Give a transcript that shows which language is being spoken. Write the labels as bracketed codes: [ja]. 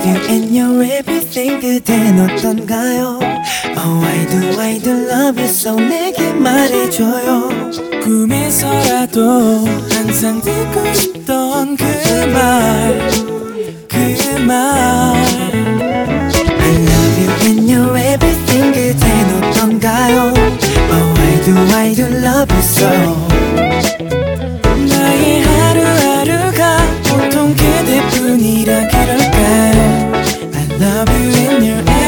[en] And your everything [ko] 그댄 어떤가요? [en] Oh, why do love you so? [ko] 내게 말해줘요. 꿈에서라도 항상 듣고 싶던 그 말, 그 말. [en] I love you and your everything [ko] 그댄 어떤가요? [en] Oh, why do love you so? [ko] 나의 하루하루가 보통 그대뿐이라 그럴까요? [en] Love you in your